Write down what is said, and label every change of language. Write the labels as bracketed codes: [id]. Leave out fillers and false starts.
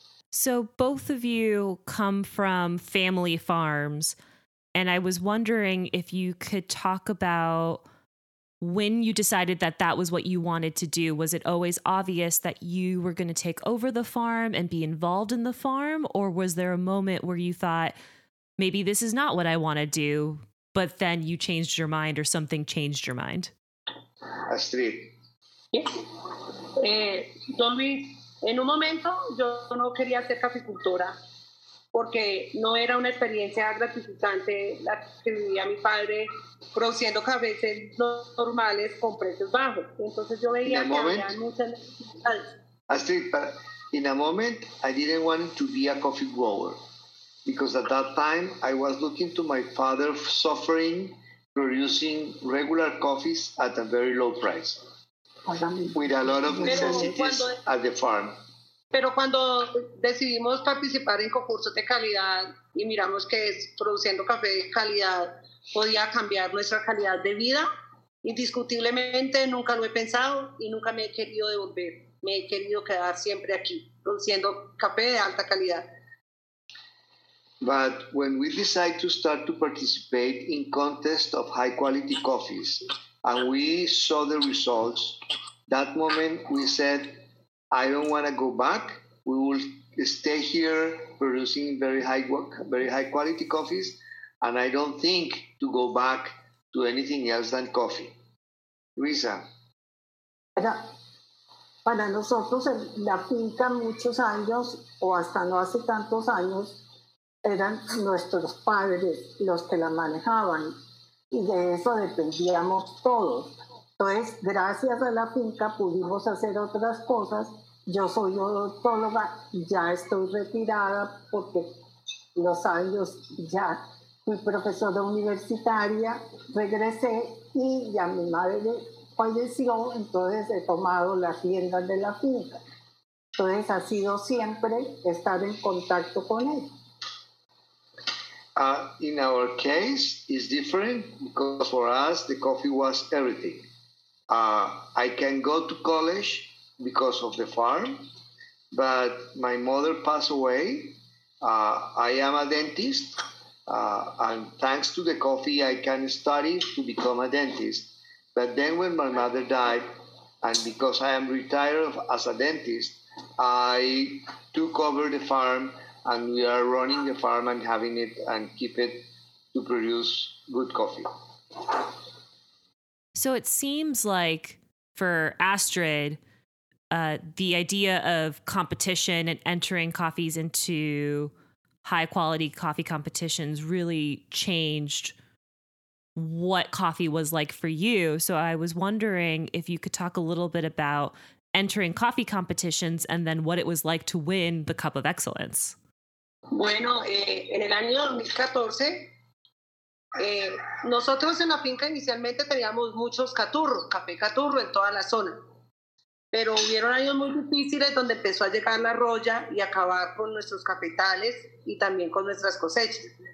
[en] So both of you come from family farms, and I was wondering if you could talk about when you decided that that was what you wanted to do. Was it always obvious that you were going to take over the farm and be involved in the farm? Or was there a moment where you thought, maybe this is not what I want to do, but then you changed your mind or something changed your mind? Astrid. Yes. [es] Don Luis, en un momento yo no quería ser caficultora porque no era una experiencia gratificante la que vivía mi padre produciendo cafés normales con precios bajos. Entonces yo veía que había muchas necesidades. [en] Astrid, in a moment I didn't want to be a coffee grower because at that time I was looking to my father suffering producing regular coffees at a very low price. With a lot of necessities at the farm. [es] Pero cuando decidimos participar en concursos de calidad y miramos que produciendo café de calidad podía cambiar nuestra calidad de vida, indiscutiblemente nunca lo he pensado y nunca me he querido devolver. Me he querido quedar siempre aquí, produciendo café de alta calidad. [en] But when we decide to start to participate in contest of high quality coffees, and we saw the results, that moment we said, I don't want to go back. We will stay here producing very high quality coffees, and I don't think to go back to anything else than coffee. Luisa. [es] Para nosotros, la finca muchos años, o hasta no hace tantos años, eran nuestros padres los que la manejaban. Y de eso dependíamos todos. Entonces, gracias a la finca pudimos hacer otras cosas. Yo soy odontóloga y ya estoy retirada porque los años ya fui profesora universitaria, regresé y ya mi madre falleció, entonces he tomado las riendas de la finca. Entonces, ha sido siempre estar en contacto con él. [en] In our case, it's different because for us, the coffee was everything. I can go to college because of the farm, but my mother passed away. I am a dentist, and thanks to the coffee, I can study to become a dentist. But then when my mother died, and because I am retired as a dentist, I took over the farm, and we are running the farm and having it and keep it to produce good coffee. So it seems like for Astrid, the idea of competition and entering coffees into high quality coffee competitions really changed what coffee was like for you. So I was wondering if you could talk a little bit about entering coffee competitions and then what it was like to win the Cup of Excellence. [es] Bueno, en el año 2014, nosotros en la finca inicialmente teníamos muchos caturros, café caturro en toda la zona. Pero hubieron años muy difíciles donde empezó a llegar la roya y acabar con nuestros cafetales y también con nuestras cosechas.